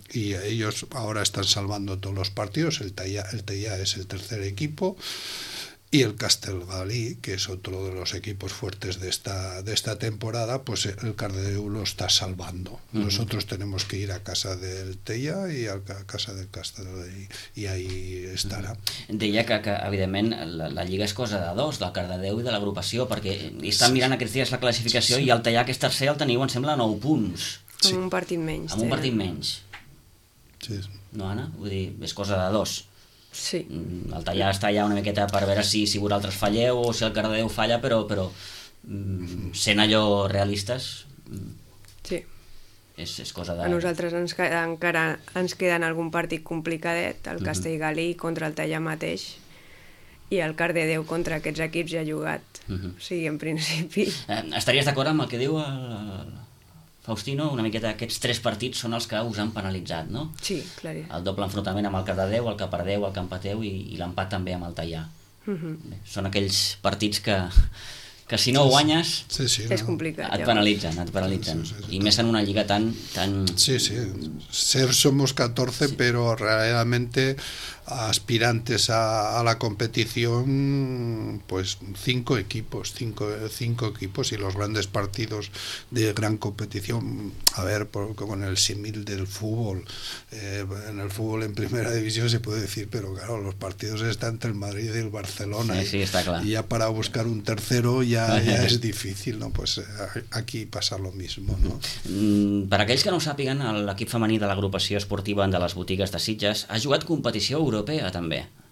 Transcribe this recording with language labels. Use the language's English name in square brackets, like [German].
[Spanish] Y ellos ahora están salvando todos los partidos. El Teia es el tercer equipo, y el Castelgalí, que es otro de los equipos fuertes de esta temporada, pues el Cardedeu lo está salvando. Uh-huh. Nosotros tenemos que ir a casa del Teia y a casa del Castelgalí, y ahí estará. [Catalan] Deia que evidentment la lliga és cosa de dos, del Cardedeu i de l'agrupació, perquè estan mirant aquests dies la classificació. I el Teia, que és tercer, el teniu, em sembla, 9 punts. Sí. Amb un partit menys. Amb un partit menys. Sí. No, Anna? Vull dir, és cosa de dos. Sí. El tallar està allà una miqueta per veure si vosaltres falleu o si el Cardedeu falla, però sent allò realistes, sí, és cosa de... A nosaltres encara ens queden algun partit complicadet, el Castellgalí contra el tallar mateix, i el Cardedeu contra aquests equips ja jugat. Uh-huh. O sigui, en principi... Estaries d'acord amb el que diu el Faustino? Una miqueta, aquests tres partits són els que us han penalitzat, no? Sí, clar. El doble enfrontament amb el Cardedeu, el que perdeu, el que empateu, i l'empat també amb el Teià. Uh-huh. Són aquells partits que si no guanyes, sí, no? És complicat. Et penalitzen. Sí, i més en una lliga tan... Sí, sí. [Spanish] Ser somos 14, sí, però realmente aspirantes a la competición, pues cinco equipos, y los grandes partidos de gran competición, a ver, con el símil del fútbol, en el fútbol en primera división se puede decir, pero claro, los partidos están entre el Madrid y el Barcelona, sí, está claro. Y ya para buscar un tercero ya es difícil, ¿no? Pues aquí pasa lo mismo, ¿no? [Catalan] Per aquells que no ho sàpiguen, l'equip femení de l'agrupació esportiva de les botigues de Sitges ha jugat competició europea també.